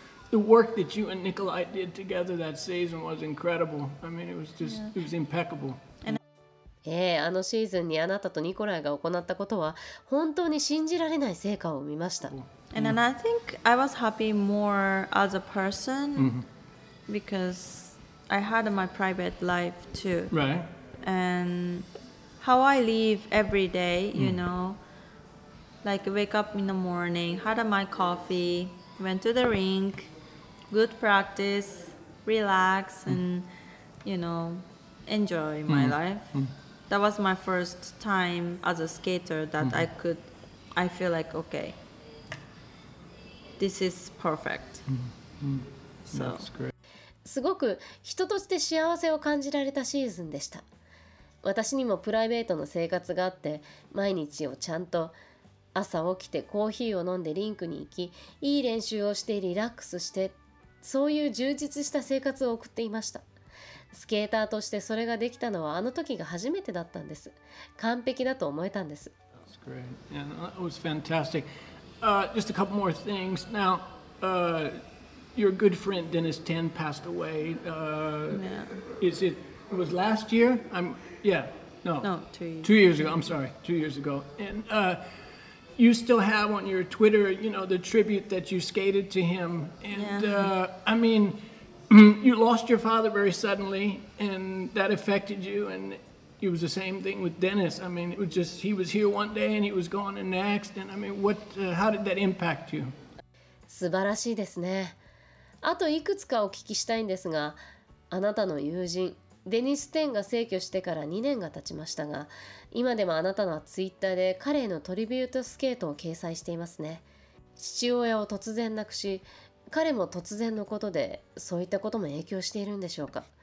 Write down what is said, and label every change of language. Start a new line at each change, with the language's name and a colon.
English: The work that you and Nikolai did together that season was incredible. I mean, it was just, it was impeccable.
Japanese: あのシーズンにあなたとニコライが行ったことは本当に信じられない成果を見ました。
English: And then I think I was happy more as a person because I had my private life too. Right. And how I live every day, you know, like wake up in the morning, had my coffee, went to the rink. Good practice, relax, and, you know, enjoy my life. That was my first time as a skater that I could, I feel like, okay, this is perfect. That's great.
Japanese: すごく人として幸せを感じられたシーズンでした。私にもプライベートの生活があって、毎日をちゃんと、朝起きてコーヒーを飲んでリンクに行き、いい練習をしてリラックスして、そういう充実した生活を送っていました。スケーターとしてそれができたのはあの時が初めてだったんです。完璧だと思えたんです。
English: That's great. Yeah, no, that was fantastic. Just a couple more things. Now, your good friend Dennis Tan passed away. Is it, it was last year? Two years ago. And, you still have on your Twitter, you know, the tribute that you skated to him. And, I mean, you lost your father very suddenly, and that affected you, and it was the same thing with Dennis. I mean, it was just, he was here one day, and he was gone the next, and I mean, what, how did that impact you?
Japanese: 素晴らしいですね。あといくつかお聞きしたいんですが、あなたの友人、デニス・テンが逝去してから2年が経ちましたが、今でもあなたのツイッターで彼へのトリビュートスケートを掲載していますね。父親を突然亡くし、彼も突然のことで、そういったことも影響しているんでしょうか。